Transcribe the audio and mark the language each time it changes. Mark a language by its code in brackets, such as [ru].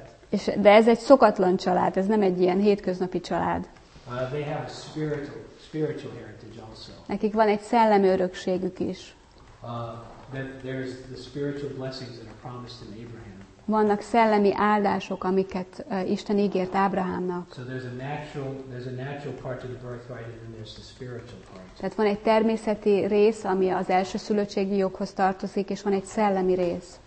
[hu] És, de ez egy szokatlan család, ez nem egy ilyen hétköznapi család. [en] They have a spiritual heritage also. [hu] Nekik van egy szellemi örökségük is. [en] There's the spiritual blessings that are promised in Abraham. [hu] Vannak szellemi áldások, amiket Isten ígért Ábrahámnak. [en] So there's a natural part of the birthright and then there's the spiritual part. [hu] Tehát van egy természeti rész, ami az első szülőtségi joghoz tartozik, és van egy szellemi rész.